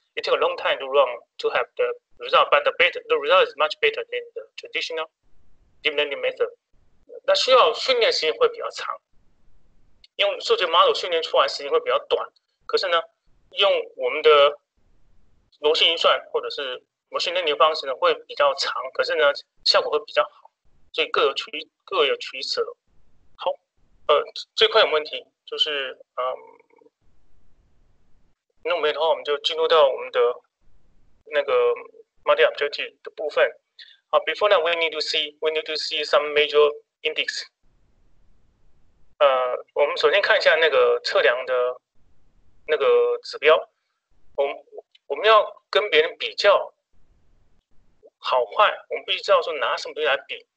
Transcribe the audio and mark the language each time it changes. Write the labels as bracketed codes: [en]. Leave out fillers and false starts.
[en] It takes a long time to run to have the result, but the result is much better than the traditional deep learning method. [zh] 那需要训练时间会比较长，用数学 model 训练出来时间会比较短。可是呢，用我们的逻辑运算或者是machine learning方式呢会比较长，可是呢效果会比较好，所以各有取舍。好，最快有问题就是那没的话，我们就进入到我们的那个 multi objective 的部分。 [en] 好 ，before that we need to see some major index。 [zh] 我们首先看一下那个测量的那个指标。我们要跟别人比较好坏，我们必须知道说拿什么东西来比。